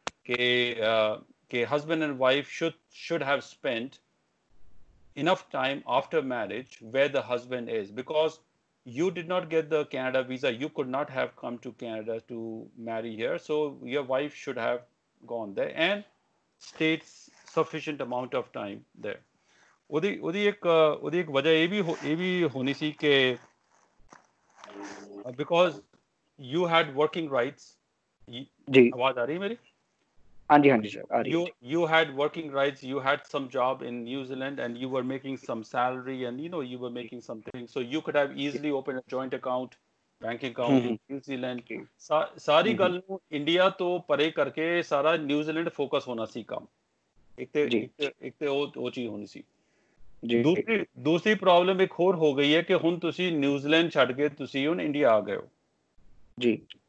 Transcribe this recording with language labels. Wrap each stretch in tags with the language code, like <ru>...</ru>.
<en>के husband and wife should have spent enough time after marriage where the husband is, because you did not get the Canada visa, you could not have come to Canada to marry here, so your wife should have gone there and stayed sufficient amount of time there.</en> <pa>ਉਹਦੀ ਇੱਕ ਵਜ੍ਹਾ ਇਹ ਵੀ ਹੋਣੀ ਸੀ ਕਿ</pa> <en>because you had working rights.</en> <pa>ਜੀ ਆਵਾਜ਼ ਆ ਰਹੀ ਹੈ ਮੇਰੀ? ਹਾਂਜੀ ਹਾਂਜੀ ਸਰ ਆ ਰਹੀ.</pa> <en>You had working rights, you had some job in New Zealand and you were making some salary and you know you were making something, so you could have easily opened a joint account, bank account in New Zealand.</en> <pa>ਸਾਰੀ ਗੱਲ ਨੂੰ India ਤੋਂ ਪਰੇ ਕਰਕੇ ਸਾਰਾ New Zealand focus ਹੋਣਾ ਸੀ ਕੰਮ. ਇੱਕ ਤੇ ਉਹ ਚੀਜ਼ ਹੋਣੀ ਸੀ. ਦੂਸਰੀ ਪ੍ਰੋਬਲਮ ਇੱਕ ਹੋਰ ਹੋ ਗਈ ਹੈ ਕਿ ਹੁਣ ਤੁਸੀਂ ਨਿਊਜ਼ੀਲੈਂਡ ਛੱਡ ਕੇ ਤੁਸੀਂ ਹੁਣ ਇੰਡੀਆ ਆ ਗਏ ਹੋ. ਜੀ</pa>